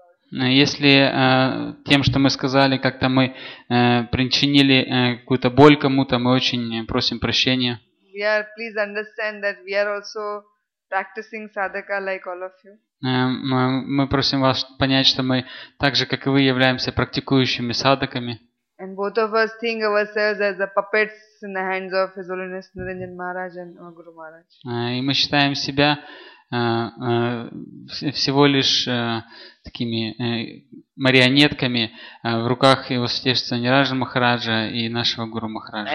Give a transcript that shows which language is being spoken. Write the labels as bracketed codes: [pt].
[ru] Если тем, что мы сказали, как-то мы причинили какую-то боль кому-то, мы очень просим прощения. [en] We are, please understand that we are also practicing sadhaka like all of you. [ru] Мы просим вас понять, что мы так же, как и вы, являемся практикующими садхаками. [en] And both of us think of ourselves as the puppets in the hands of His Holiness Niranjan Maharaj and our Guru Maharaj. [ru] И мы считаем себя всего лишь такими марионетками в руках Его Святейшества Ниранджан Махараджа и нашего Гуру Махараджа.